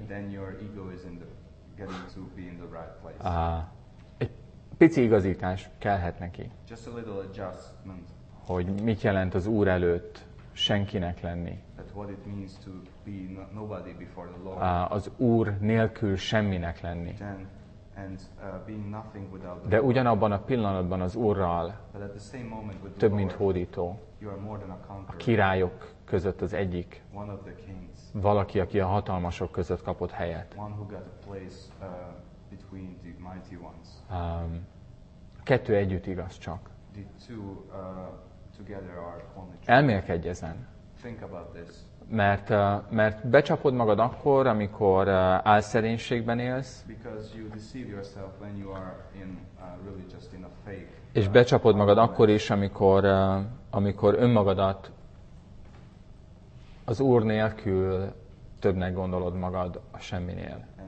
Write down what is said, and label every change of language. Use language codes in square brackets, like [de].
[en] Then your ego is getting to be in the right place. [hu] Egy pici igazítás kellhet neki. [en] Just a little adjustment. [hu] Hogy mit jelent az Úr előtt senkinek lenni. [en] That what it means to be nobody before the Lord. [hu] Az Úr nélkül semminek lenni. [en] Then, and, being nothing without [hu] the De ugyanabban a pillanatban az Úrral több, mint hódító. [en] You are more than a conqueror. [hu] A királyok között az egyik. [en] One of the kings. [hu] Valaki, aki a hatalmasok között kapott helyet. [en] One who got a place, between the mighty ones. [hu] Kettő együtt igaz csak. [en] The two, together are only true. [hu] Elmélkedj ezen. [en] Think about this. [hu] Mert becsapod magad akkor, amikor álszerénységben élsz. [en] Because you deceive yourself when you are in, really just in a fake. [hu] És becsapod magad akkor is, amikor önmagadat az Úr nélkül többnek gondolod magad a semminél.